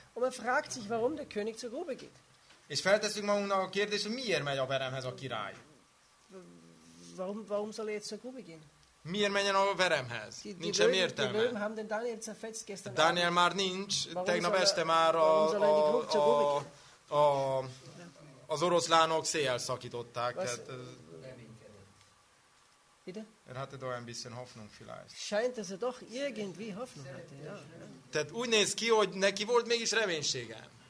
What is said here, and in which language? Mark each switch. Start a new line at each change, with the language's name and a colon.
German: Und man fragt sich, warum der König zur Grube geht.
Hungarian: És felteszünk magunknak a kérdést, hogy miért megy a veremhez a király?
German: Warum soll er jetzt zur Grube gehen?
Hungarian: Miért menjen a veremhez? Nincs semmi értelme.
German: Die Löwen haben den Daniel zerfetzt gestern.
Hungarian: Daniel már nincs, tegnap este már az oroszlánok széjjel szakították.
German: Er hatte doch ein bisschen Hoffnung vielleicht. Scheint, dass er doch irgendwie Hoffnung hatte, ja.
Hungarian: Tehát úgy néz ki, hogy neki volt mégis reménysége.